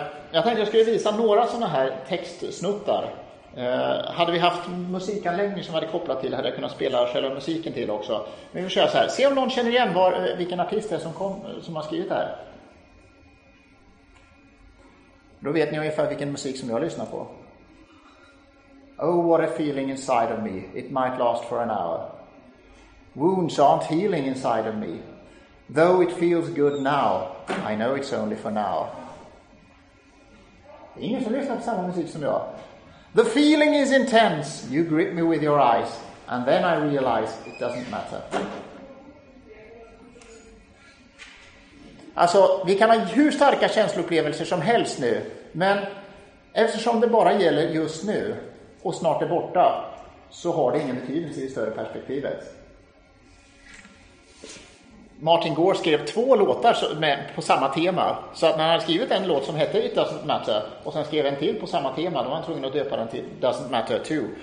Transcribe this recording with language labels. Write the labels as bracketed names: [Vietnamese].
[Swedish] Jag tänkte jag skulle visa några sådana här textsnuttar. Hade vi haft musikanläggning som hade kopplat till, hade jag kunnat spela själva musiken till också. Men vi får köra så här. Se om någon känner igen vilken artist det är som har skrivit det här. Då vet ni ungefär vilken musik som jag lyssnar på. [English] Oh, what a feeling inside of me. It might last for an hour. Wounds aren't healing inside of me. Though it feels good now, I know it's only for now. [Swedish] Ingen som lyssnar på samma musik som jag. [English] The feeling is intense. You grip me with your eyes. And then I realize it doesn't matter. [Swedish] Alltså, vi kan ha hur starka känsloupplevelser som helst nu. Men eftersom det bara gäller just nu och snart är borta, så har det ingen betydelse i det större perspektivet. Martin Gore skrev två låtar på samma tema. Så att när han hade skrivit en låt som hette It Doesn't Matter och sen skrev en till på samma tema, då var han tvungen att döpa den till Doesn't Matter 2.